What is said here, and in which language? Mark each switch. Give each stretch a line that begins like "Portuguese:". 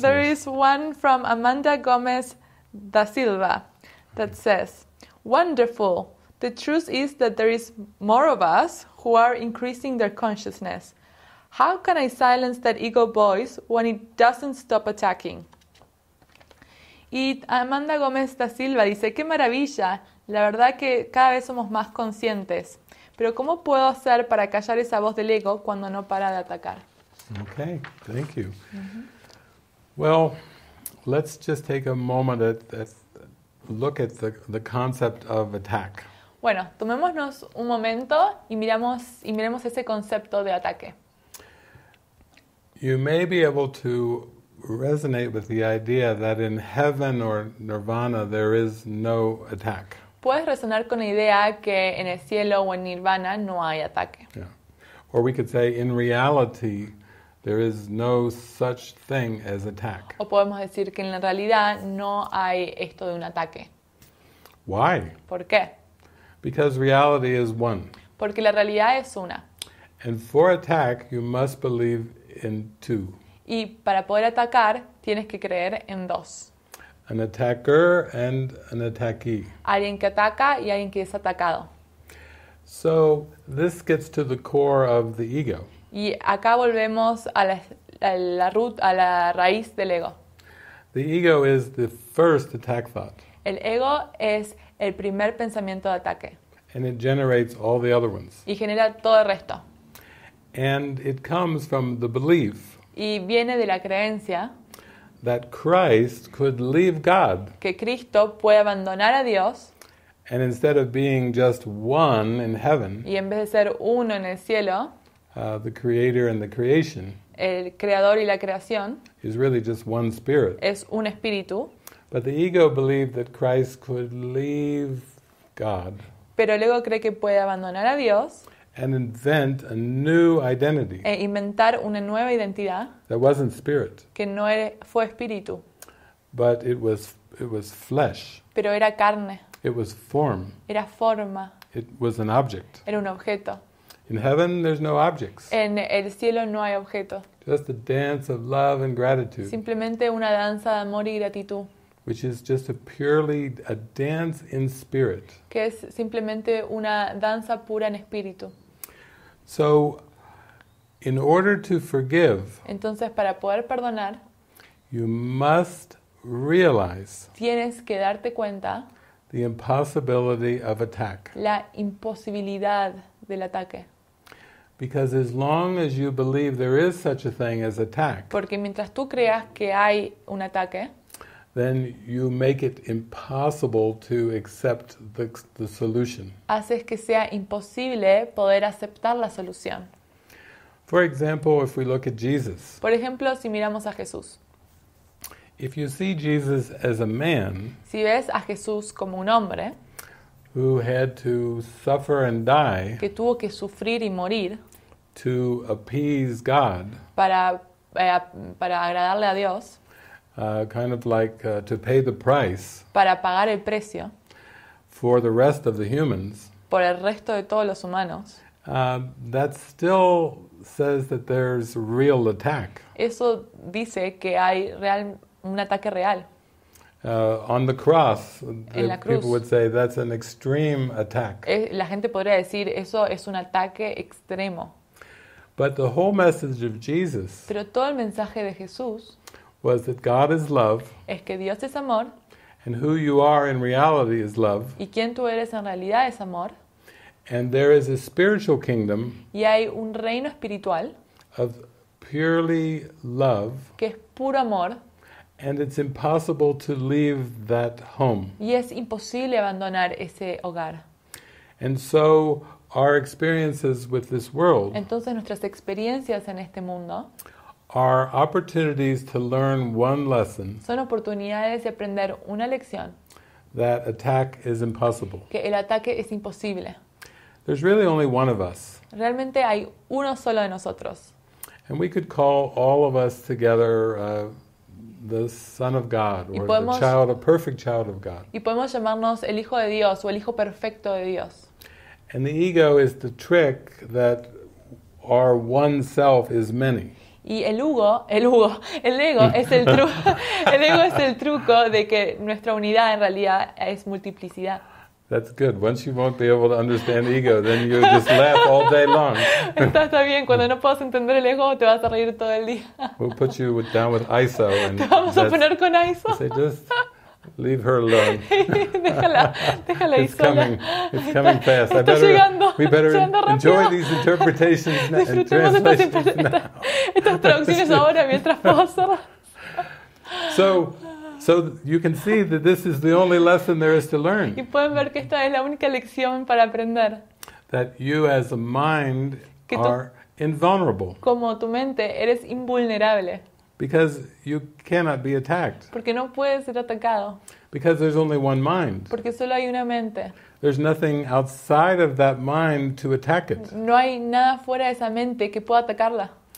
English: There is one from Amanda Gomez da Silva that says, "Wonderful. The truth is that there is more of us who are increasing their consciousness. How can I silence that ego voice when it doesn't stop attacking?"
Spanish: Y Amanda Gómez da Silva dice, qué maravilla, la verdad que cada vez somos más conscientes. Pero ¿cómo puedo hacer para callar esa voz del ego cuando no para de atacar?
English: Okay, thank you. Mm-hmm. Well, let's just take a moment at look at the concept of attack.
Spanish: Bueno, tomémonos un momento y miremos ese concepto de ataque.
English: You may be able to resonate with the idea that in heaven or nirvana there is no attack.
Spanish: Puedes resonar con la idea que en el cielo o en nirvana no hay ataque.
English: Yeah. Or we could say in reality there is no such thing as attack.
Spanish: O podemos decir que en la realidad no hay esto de un ataque.
English: Why?
Spanish: ¿Por qué?
English: Because reality is one.
Spanish: Porque la realidad es una.
English: And for attack you must believe in two.
Spanish: Y para poder atacar, tienes que creer en dos.
English: An attacker and an attackee.
Spanish: Alguien que ataca y alguien que es atacado.
English: So, this gets to the core of the ego.
Spanish: Y acá volvemos a la raíz del ego.
English: The ego is the first attack thought.
Spanish: El ego es el primer pensamiento de ataque.
English: And it generates all the other ones.
Spanish: Y genera todo el resto.
English: And it comes from the belief.
Spanish: Y viene de la creencia
English: that Christ could leave God,
Spanish: que Cristo puede abandonar a Dios,
English: and instead of being just one in heaven,
Spanish: y en vez de ser uno en el cielo,
English: the creator and the creation,
Spanish: el creador y la creación,
English: is really just one spirit.
Spanish: Es un espíritu.
English: But the ego believed that Christ could leave God.
Spanish: Pero el ego cree que puede abandonar a Dios.
English: And invent a new identity.
Spanish: E inventar una nueva identidad.
English: That wasn't spirit.
Spanish: Que no era, fue espíritu.
English: But it was flesh.
Spanish: Pero era carne.
English: It was form.
Spanish: Era forma.
English: It was an object.
Spanish: Era un objeto.
English: In heaven there's no objects.
Spanish: En el cielo no hay objeto.
English: Just a dance of love and gratitude.
Spanish: Simplemente una danza de amor y gratitud.
English: Which is just a purely a dance in spirit.
Spanish: Que es simplemente una danza pura en espíritu.
English: So, in order to forgive,
Spanish: entonces para poder perdonar,
English: you must realize,
Spanish: tienes que darte cuenta,
English: the impossibility of attack.
Spanish: La imposibilidad del ataque.
English: Because as long as you believe there is such a thing as attack,
Spanish: porque mientras tú creas que hay un ataque,
English: then you make it impossible to accept the solution.
Spanish: Haces que sea imposible poder aceptar la solución.
English: For example, if we look at Jesus.
Spanish: Por ejemplo, si miramos a Jesús.
English: If you see Jesus as a man,
Spanish: si ves a Jesús como un hombre,
English: who had to suffer and die,
Spanish: que tuvo que sufrir y morir,
English: to appease God,
Spanish: para agradarle a Dios,
English: kind of like to pay the price,
Spanish: para pagar el precio,
English: for the rest of the humans,
Spanish: por el resto de todos los humanos,
English: that still says that there's real attack.
Spanish: Eso dice que hay real, un ataque real.
English: On the cross,
Spanish: en la cruz,
English: people would say that's an extreme attack.
Spanish: La gente podría decir eso es un ataque extremo.
English: But the whole message of Jesus,
Spanish: pero todo el mensaje de Jesús,
English: was that God is love.
Spanish: Es que Dios es amor.
English: And who you are in reality is love.
Spanish: Y quien tú eres en realidad es amor.
English: And there is a spiritual kingdom.
Spanish: Y hay un reino espiritual.
English: Of purely love.
Spanish: Que es puro amor.
English: And it's impossible to leave that home.
Spanish: Y es imposible abandonar ese hogar.
English: And so our experiences with this world.
Spanish: Entonces nuestras experiencias en este mundo.
English: Are opportunities to learn one lesson.
Spanish: Son oportunidades de aprender una lección.
English: That attack is impossible.
Spanish: Que el ataque es imposible.
English: There's really only one of us.
Spanish: Realmente hay uno solo de nosotros.
English: And we could call all of us together the son of God, or
Spanish: podemos,
English: the child, a perfect child of God.
Spanish: Y podemos llamarnos el hijo de Dios o el hijo perfecto de Dios. And the ego is the trick that our one self is many. Y el ego es el truco. El ego es el truco de que nuestra unidad en realidad es multiplicidad.
English: That's good. Once you won't be able to understand ego, then you just laugh all day long.
Spanish: Está bien. Cuando no puedas entender el ego, te vas a reír todo el día.
English: We'll put you down with ISO. And
Spanish: te vamos a poner con ISO.
English: Say, just leave her alone.
Spanish: Déjala
English: ISO. It's coming fast.
Spanish: Está
English: I better,
Spanish: llegando.
English: We better enjoy
Spanish: rápido.
English: These interpretations and translations now.
Spanish: Traducciones ahora mientras puedo.
English: So you can see that this is the only lesson there is to learn.
Spanish: Y pueden ver que esta es la única lección para aprender.
English: That you as a mind
Spanish: que tú,
English: are invulnerable.
Spanish: Como tu mente, eres invulnerable.
English: Because you cannot be attacked.
Spanish: Porque no puedes ser atacado.
English: Because there's only one mind.
Spanish: Porque solo hay una mente.
English: There's nothing outside of that mind to attack it.
Spanish: No hay nada fuera de esa mente que pueda atacarla.